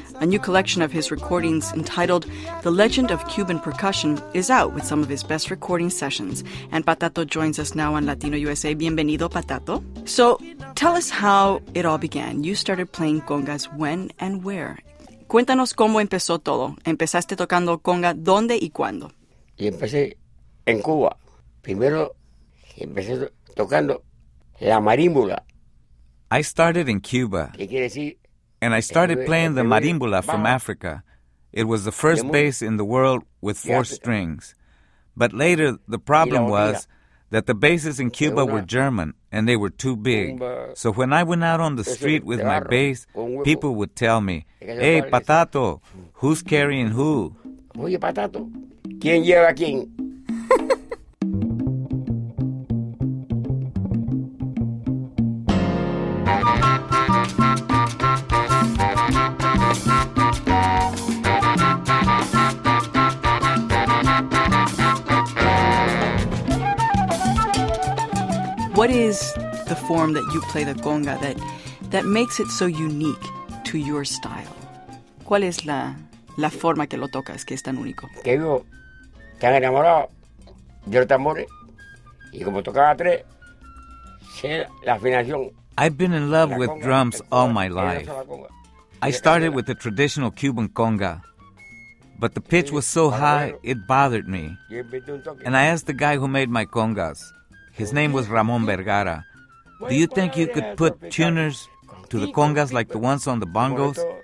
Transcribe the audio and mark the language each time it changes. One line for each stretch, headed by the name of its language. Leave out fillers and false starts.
English: A new collection of his recordings entitled The Legend of Cuban Percussion is out with some of his best recording sessions. And Patato joins us now on Latino USA.
Spanish: Bienvenido, Patato.
English: So tell us how it all began. You started playing congas when and where?
Spanish: Cuéntanos cómo empezó todo. Empezaste tocando conga, ¿dónde y cuándo? Y empecé en Cuba. Primero, empecé tocando la marímbula.
English: I started in Cuba.
Spanish: ¿Qué quiere decir?
English: And I started playing the marímbula from Africa. It was the first bass in the world with four strings. But later, the problem was that the basses in Cuba were German, and they were too big. So when I went out on the street with my bass, people would tell me, "Hey, Patato, who's carrying who?"
Spanish: Oye, Patato, ¿quién lleva quién?
English: What is the form that you play the conga that makes it so unique to your style?
Spanish: ¿Cuál es la forma que lo tocas que es tan único? Que yo tan enamorado de los tambores y como tocaba tres, sé la afinación.
English: I've been in love with drums all my life. I started with the traditional Cuban conga, but the pitch was so high it bothered me. And I asked the guy who made my congas. His name was Ramon Vergara. Do you think you could put tuners to the congas like the ones on the bongos?